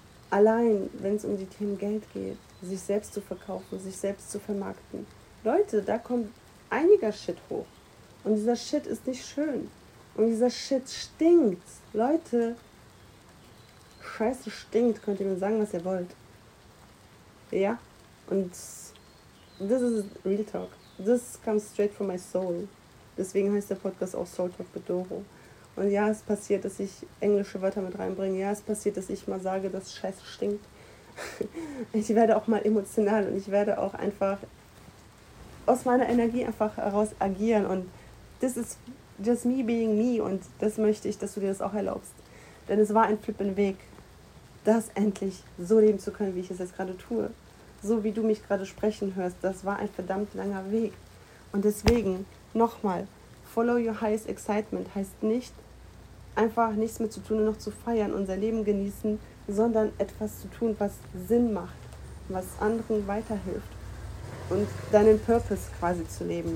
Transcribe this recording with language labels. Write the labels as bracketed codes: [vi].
[de] Allein, wenn es um die Themen Geld geht, sich selbst zu verkaufen, sich selbst zu vermarkten. Leute, da kommt einiger Shit hoch. Und dieser Shit ist nicht schön. Und dieser Shit stinkt. Leute, Scheiße stinkt, könnt ihr mir sagen, was ihr wollt. Ja, und [en] this is real talk. This comes straight from my soul. [de] Deswegen heißt der Podcast auch Soul Talk mit Doro. Und ja, es passiert, dass ich englische Wörter mit reinbringe. Ja, es passiert, dass ich mal sage, dass Scheiße stinkt. Ich werde auch mal emotional und ich werde auch einfach aus meiner Energie einfach heraus agieren. Und [en] this is just me being me. [de] Und das möchte ich, dass du dir das auch erlaubst. Denn es war ein flippender Weg, das endlich so leben zu können, wie ich es jetzt gerade tue. So wie du mich gerade sprechen hörst. Das war ein verdammt langer Weg. Und deswegen nochmal, [en] follow your highest excitement [de] heißt nicht, einfach nichts mehr zu tun und noch zu feiern, unser Leben genießen, sondern etwas zu tun, was Sinn macht, was anderen weiterhilft und deinen Purpose quasi zu leben.